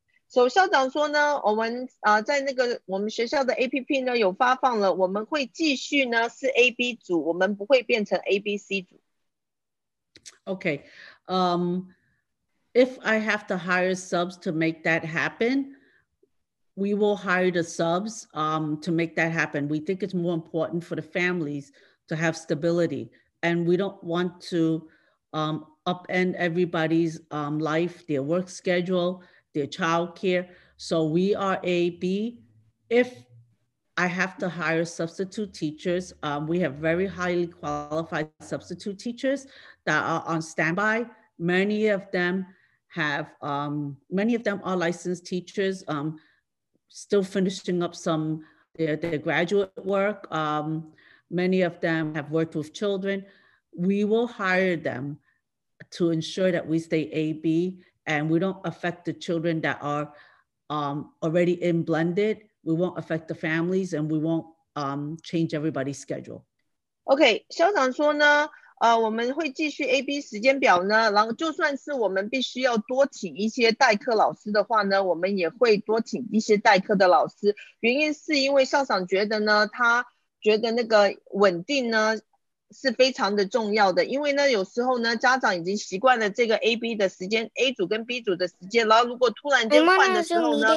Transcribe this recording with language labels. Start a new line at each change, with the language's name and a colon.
Chinese: 校长说呢，我们在那个我们学校的 APP 呢有发放了，我们会继续呢是 AB 组，我们不会变成 ABC 组。
English: Okay. If I have to hire subs to make that happen, we will hire the subs to make that happen. We think it's more important for the families to have stability. And we don't want to upend everybody's life, their work schedule, their childcare. So we are AB. If I have to hire substitute teachers, we have very highly qualified substitute teachers that are on standby. Many of them are licensed teachers, still finishing up some their graduate work. Many of them have worked with children. We will hire them to ensure that we stay AB and we don't affect the children that are already in blended. We won't affect the families and we won't change everybody's schedule.
Chinese: Okay, 校长说呢，我们会继续 AB 时间表呢，然后就算是我们必须要多请一些代课老师的话呢，我们也会多请一些代课的老师。原因是因为校长觉得呢，他觉得那个稳定呢是非常的重要的，因为呢有时候呢家长已经习惯了这个 AB 的时间 ，A 组跟 B 组的时间，然后如果突然间换的时候呢，